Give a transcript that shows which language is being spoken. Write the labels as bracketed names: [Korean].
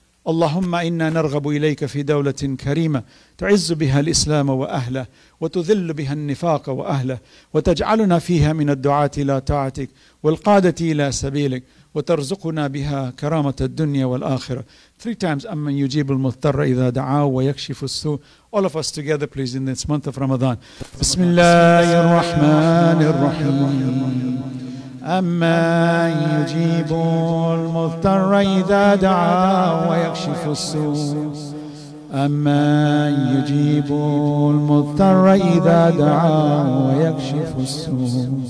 [Arabic] اللهم إنا نرغب إليك في دولة كريمة تعز بها الإسلام وأهله وتذل بها النفاق وأهله وتجعلنا فيها من الدعاة إلى طاعتك والقادة إلى سبيلك وترزقنا بها كرامة الدنيا والآخرة. [English] Three times, [Arabic] أمن يجيب المضطر إذا دعاه ويكشف السوء. [English] All of us together, please, in this month of Ramadan. [Arabic] بسم الله الرحمن الرحيم. أمن يجيب المضطر إذا دعاه ويكشف السوء. أمن يجيب المضطر إذا دعاه ويكشف السوء.